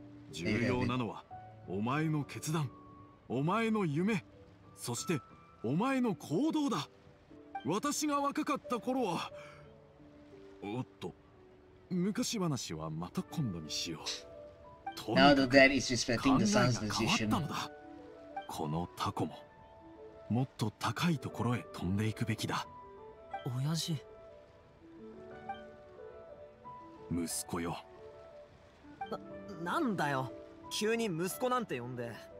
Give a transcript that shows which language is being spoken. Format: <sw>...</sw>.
<ja>重要なのはお前の決断、お前の夢、そしてお前の行動だ。私が若かった頃は、おっと、昔話はまた今度にしよう。</ja> <en>Now the dad is respecting the son's decision.</en> <ja>このタコも、もっと高いところへ飛んでいくべきだ。親父。息子よ。なんだよ、急に息子なんて呼んで。</ja>